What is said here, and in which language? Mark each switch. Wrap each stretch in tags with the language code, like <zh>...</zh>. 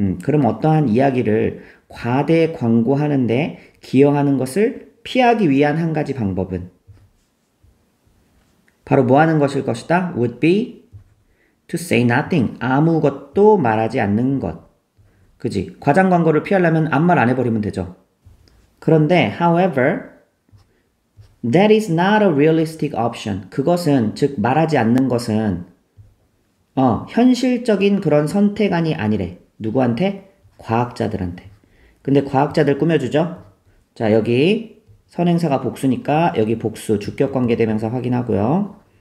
<ko>그럼 어떠한 이야기를 과대 광고하는데 기여하는 것을 피하기 위한 한 가지 방법은? 바로 뭐 하는 것일 것이다?</ko> <en>would be to say nothing.</en> <ko>아무것도 말하지 않는 것. 그지? 과장 광고를 피하려면 아무 말안 해버리면 되죠. 그런데,</ko> <en>however, that is not a realistic option.</en> <ko>그것은, 즉, 말하지 않는 것은, 현실적인 그런 선택안이 아니래. 누구한테? 과학자들한테. 근데 과학자들 꾸며주죠? 자, 여기 선행사가 복수니까, 여기 복수, 주격 관계대명사 확인하고요.</ko>